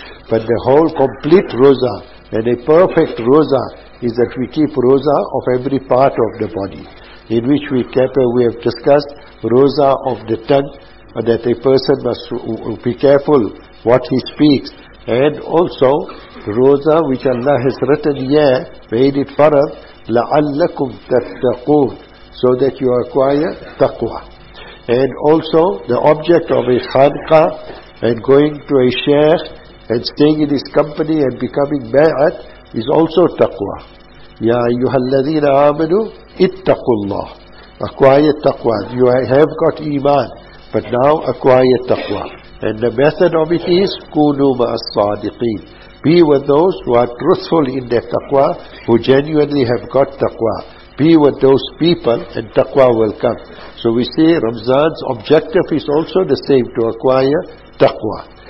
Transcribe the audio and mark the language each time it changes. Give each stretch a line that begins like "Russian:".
English: But the whole complete roza and a perfect roza is that we keep roza of every part of the body, in which we kept, we have discussed roza of the tongue, that a person must be careful what he speaks, and also roza which Allah has written here, made it for us,
Arabic: لَعَلَّكُمْ تَتَّقُونَ,
English: so that you acquire taqwa. And also the object of a khanqa and going to a sheikh and staying in his company and becoming bay'at is also taqwa.
Arabic: يَا أَيُّهَا الَّذِينَ آمَنُوا اِتَّقُوا اللَّهِ,
English: acquire taqwa. You have got iman, but now acquire taqwa. And the method of it is
Arabic: كُونُوا مَا الصَّادِقِينَ,
English: be with those who are truthful in their taqwa, who genuinely have got taqwa. Be with those people and taqwa will come. So we say Ramzan's objective is also the same, to acquire taqwa.